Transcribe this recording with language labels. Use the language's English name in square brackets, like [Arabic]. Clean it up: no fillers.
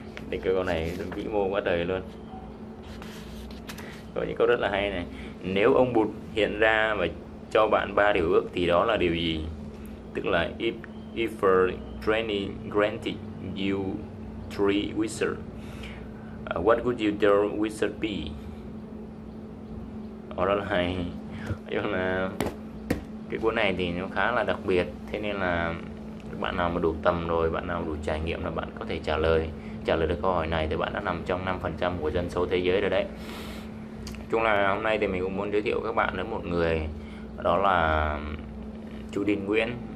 [Vietnamese] Cái câu này vĩ mô quá trời luôn. Có những câu rất là hay này. Nếu ông Bụt hiện ra và cho bạn ba điều ước thì đó là điều gì? Tức là [English] if granted you three wishes, what would you do wishes be? [Vietnamese] Đó là hay. Nhưng là cái cuốn này thì nó khá là đặc biệt, thế nên là bạn nào mà đủ tầm rồi, bạn nào đủ trải nghiệm là bạn có thể trả lời được câu hỏi này, thì bạn đã nằm trong 5% của dân số thế giới rồi đấy. Chung là hôm nay thì mình cũng muốn giới thiệu các bạn đến một người, đó là chú Đinh Nguyễn.